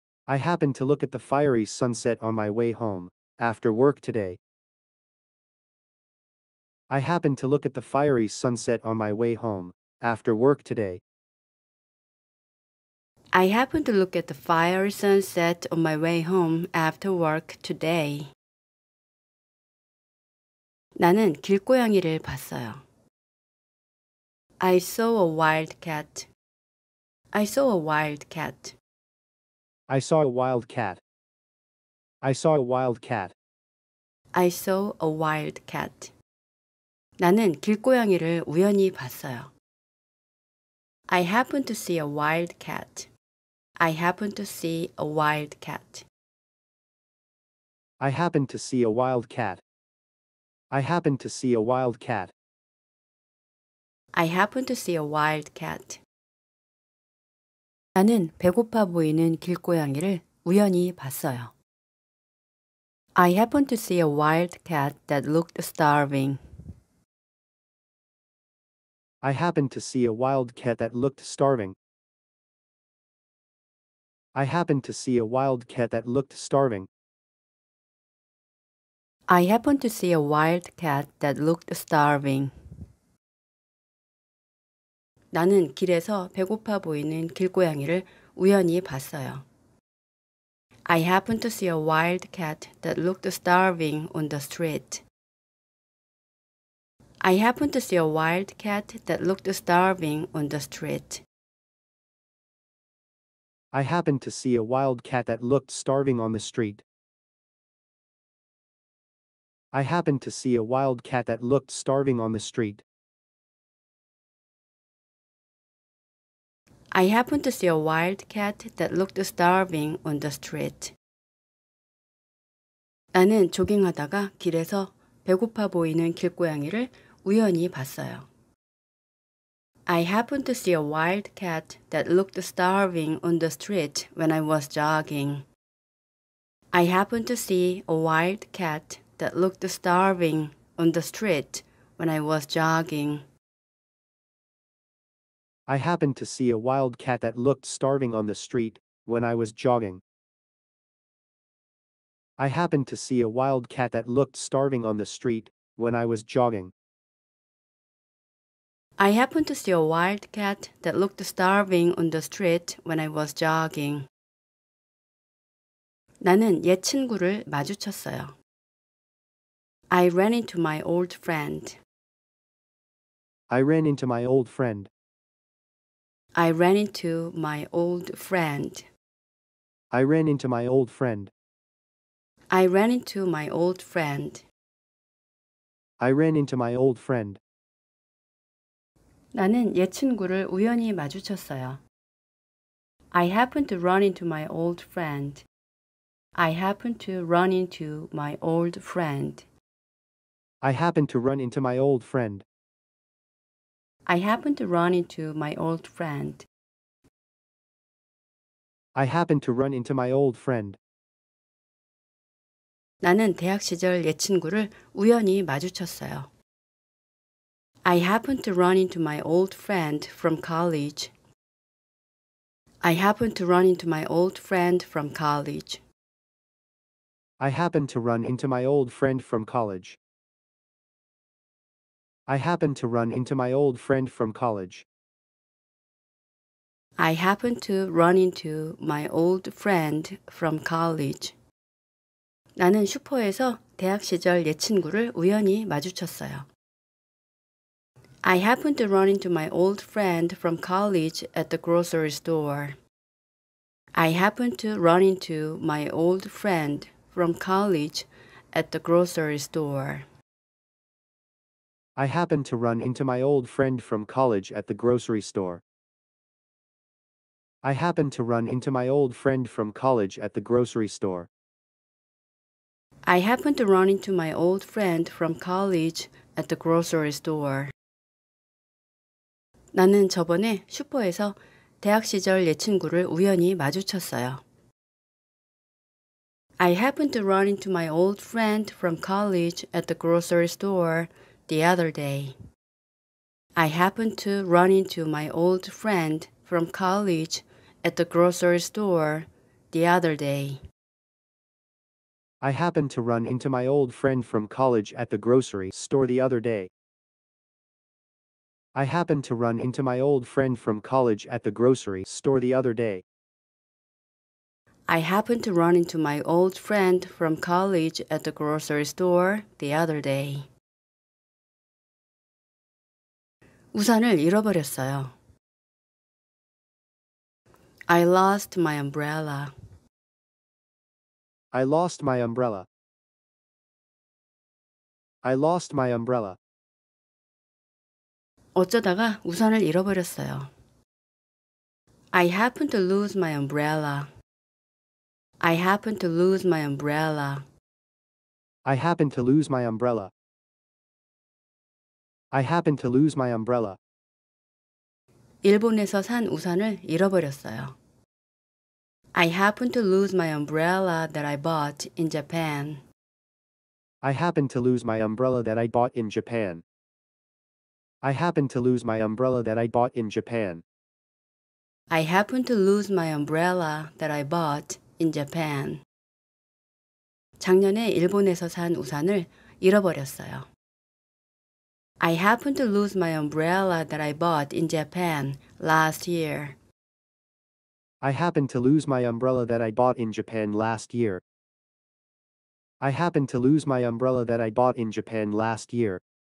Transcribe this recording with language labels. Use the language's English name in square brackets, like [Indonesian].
[English] I happened to look at the fiery sunset on my way home after work today. I happened to look at the fiery sunset on my way home after work today. I happened to look at the fiery sunset on my way home after work today. [Korean] 나는 길고양이를 봤어요. [English] I saw a wild cat. I saw a wild cat. I saw a wild cat. I saw a wild cat. I saw a wild cat. [Korean] 나는 길고양이를 우연히 봤어요. [English] I happened to see a wild cat. I happened to see a wild cat. I happened to see a wild cat. I happened to see a wild cat. I happened to see a wild cat. [Korean] 나는 배고파 보이는 길고양이를 우연히 봤어요. [English] I happened to see a wild cat that looked starving. I happened to see a wild cat that looked starving. I happened to see a wild cat that looked starving. I happened to see a wild cat that looked starving. [Korean] 나는 길에서 배고파 보이는 길고양이를 우연히 봤어요. [English] I happened to see a wild cat that looked starving on the street. I happened to see a wild cat that looked starving on the street. I happened to see a wild cat that looked starving on the street. I happened to see a wild cat that looked starving on the street. I happened to see a wild cat that looked starving on the street. [Korean] 나는 조깅하다가 길에서 배고파 보이는 길고양이를 우연히 봤어요. [English] I happened to see a wild cat that looked starving on the street when I was jogging. I happened to see a wild cat that looked starving on the street when I was jogging. I happened to see a wild cat that looked starving on the street when I was jogging. I happened to see a wild cat that looked starving on the street when I was jogging. I happened to see a wild cat that looked starving on the street when I was jogging. [Korean] 나는 옛 친구를 마주쳤어요. [English] I ran into my old friend. I ran into my old friend. I ran into my old friend. I ran into my old friend. I ran into my old friend. I ran into my old friend. [Korean] 나는 옛 친구를 우연히 마주쳤어요. [English] I happened to run into my old friend. I happened to run into my old friend. I happened to run into my old friend. I happened to run into my old friend. I happened to run into my old friend. [Korean] 나는 대학 시절 옛 친구를 우연히 마주쳤어요. [English] I happened to run into my old friend from college. I happened to run into my old friend from college. I happened to run into my old friend from college. I happened to run into my old friend from college. I happened to run into my old friend from college. [Korean] 나는 슈퍼에서 대학 시절 옛 친구를 우연히 마주쳤어요. [English] I happened to run into my old friend from college at the grocery store. I happened to run into my old friend from college at the grocery store. I happened to run into my old friend from college at the grocery store. I happened to run into my old friend from college at the grocery store. I happened to run into my old friend from college at the grocery store. [Korean] 나는 저번에 슈퍼에서 대학 시절 여친구를 우연히 마주쳤어요. [English] I happened to run into my old friend from college at the grocery store the other day. I happened to run into my old friend from college at the grocery store the other day. I happened to run into my old friend from college at the grocery store the other day. I happened to run into my old friend from college at the grocery store the other day. I happened to run into my old friend from college at the grocery store the other day. [Korean] 우산을 잃어버렸어요. [English] I lost my umbrella. I lost my umbrella. I lost my umbrella. [Korean] 어쩌다가 우산을 잃어버렸어요. [English] I happened to lose my umbrella. I happened to lose my umbrella. I happened to lose my umbrella. I happened to lose my umbrella. [Korean] 일본에서 산 우산을 잃어버렸어요. [English] I happened to lose my umbrella that I bought in Japan. I happened to lose my umbrella that I bought in Japan. I happened to lose my umbrella that I bought in Japan. I happened to lose my umbrella that I bought in Japan. [Korean] 작년에 일본에서 산 우산을 잃어버렸어요. [English] I happened to lose my umbrella that I bought in Japan last year. I happened to lose my umbrella that I bought in Japan last year. I happened to lose my umbrella that I bought in Japan last year.